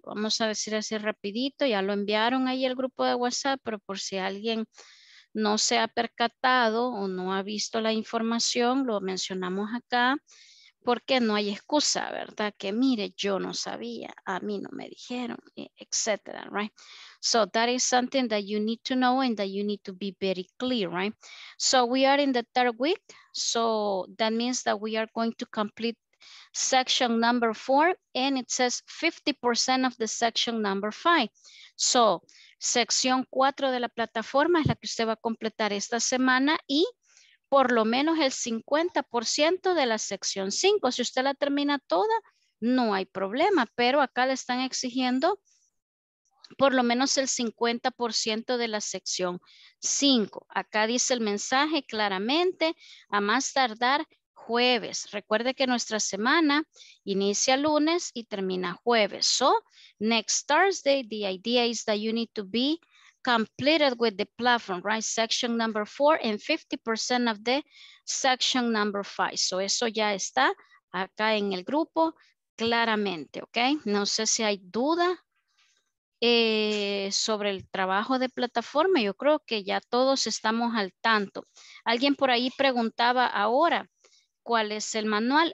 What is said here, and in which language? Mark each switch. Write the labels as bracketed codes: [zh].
[es] Vamos a decir así rapidito. Ya lo enviaron ahí al grupo de WhatsApp, pero por si alguien no se ha percatado o no ha visto la información, lo mencionamos acá, porque no hay excusa, ¿verdad? Que mire, yo no sabía, a mí no me dijeron, etcétera, right? [en] So that is something that you need to know and that you need to be very clear, right? So we are in the third week, so that means that we are going to complete section number 4, and it says 50% of the section number 5. [es] So, sección 4 de la plataforma es la que usted va a completar esta semana y por lo menos el 50% de la sección 5. Si usted la termina toda, no hay problema, pero acá le están exigiendo por lo menos el 50% de la sección 5. Acá dice el mensaje claramente, a más tardar jueves. Recuerde que nuestra semana inicia lunes y termina jueves. [en] So, next Thursday, the idea is that you need to be completed with the platform, right? Section number 4 and 50% of the section number 5. [es] So, eso ya está acá en el grupo claramente, ¿ok? No sé si hay duda sobre el trabajo de plataforma. Yo creo que ya todos estamos al tanto. Alguien por ahí preguntaba ahora, ¿cuál es el manual?